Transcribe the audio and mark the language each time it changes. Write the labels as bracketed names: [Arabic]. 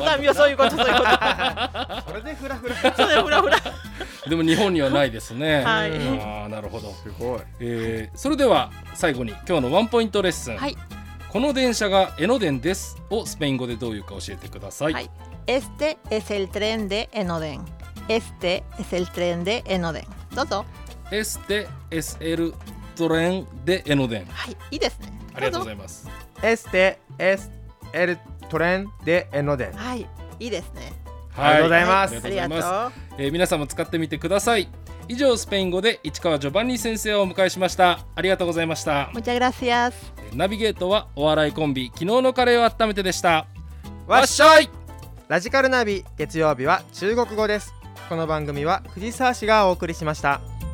[Japanese] 高山病、そういうこと、そういうこと。それでフラフラ。そうだよ、フラフラ。でも日本にはないですね。はい、あ、なるほど、すごい。それでは最後に今日のワンポイントレッスン、はい、この電車がエノデンですをスペイン語でどういうか教えてください。はい、 [Spanish] Este es el tren de Enoden。 Este es el tren de Enoden. [Japanese] どうぞ。 [Spanish] Este es el tren de Enoden. [Japanese] はい、いいですね。ありがとうございます。 [Spanish] Este es el tren de Enoden. [Japanese] はい、いいですね。はい、ありがとうございます。はい、ありがとうございます。皆さんも使ってみてください。以上、スペイン語で市川ジョバンニ先生をお迎えしました。ありがとうございました。 [Spanish] Muchas gracias。 [Japanese] ナビゲートはお笑いコンビ昨日のカレーを温めてでした。わっしょい。ラジカルナビ、月曜日は中国語です。この番組は藤沢氏がお送りしました。